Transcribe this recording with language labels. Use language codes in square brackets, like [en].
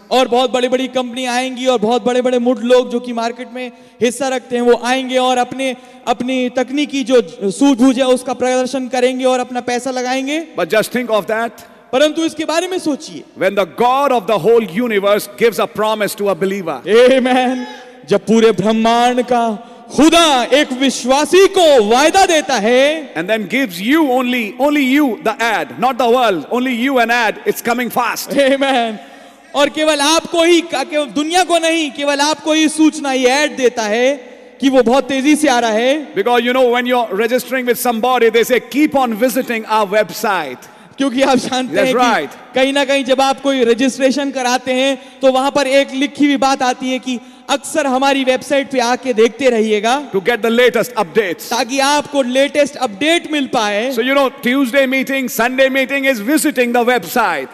[hi] और बहुत बड़ी बड़ी कंपनी आएंगी और बहुत बड़े बड़े मुड लोग जो कि मार्केट में हिस्सा रखते हैं वो आएंगे और अपने अपनी तकनीकी जो सूझबूझ है उसका प्रदर्शन करेंगे और अपना पैसा लगाएंगे. [en] But just think of that. [hi] परंतु इसके बारे में सोचिए. [en] When the God of the whole universe gives a promise to a believer. Amen. [hi] जब पूरे ब्रह्मांड का खुदा एक विश्वासी को वायदा देता है. [en] And then gives you only you the ad, not the world. Only you an ad. It's coming fast. Amen. [hi] और केवल आपको ही, दुनिया को नहीं, केवल आपको ही सूचना ये ad देता है कि वो बहुत तेजी से आ रहा है. [en] Because you know when you're registering with somebody, they say keep on visiting our website. [hi] क्योंकि आप जानते हैं [en] right. [hi] कि कहीं ना कहीं जब आप कोई रजिस्ट्रेशन कराते हैं तो वहां पर एक लिखी हुई बात आती है कि अक्सर हमारी वेबसाइट पे आके देखते रहिएगा. [en] To get the latest updates. [hi] ताकि आपको लेटेस्ट अपडेट मिल पाए. [en] So you know Tuesday meeting Sunday meeting is visiting the website.